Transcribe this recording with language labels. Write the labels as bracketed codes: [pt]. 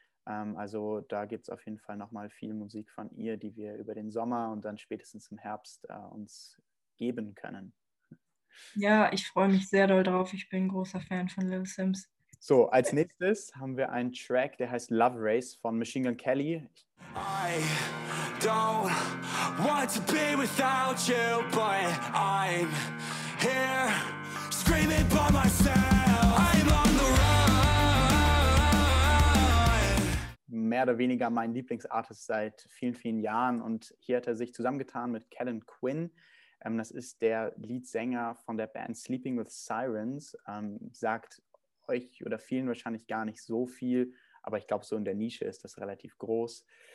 [de] Also da gibt es auf jeden Fall nochmal viel Musik von ihr, die wir über den Sommer und dann spätestens im Herbst uns geben können. Ja, ich freue mich sehr doll drauf. Ich bin ein großer Fan von Lil Sims. So, als nächstes haben wir einen Track, der heißt Love Race von Machine Gun Kelly. [en] I don't want to be without you, but I'm here screaming by myself. I'm on the run. [de] Mehr oder weniger mein Lieblingsartist seit vielen, vielen Jahren und hier hat er sich zusammengetan mit Kellen Quinn. Das ist der Leadsänger von der Band Sleeping with Sirens. Sagt euch oder vielen wahrscheinlich gar nicht so viel, aber ich glaube, so in der Nische ist das relativ groß.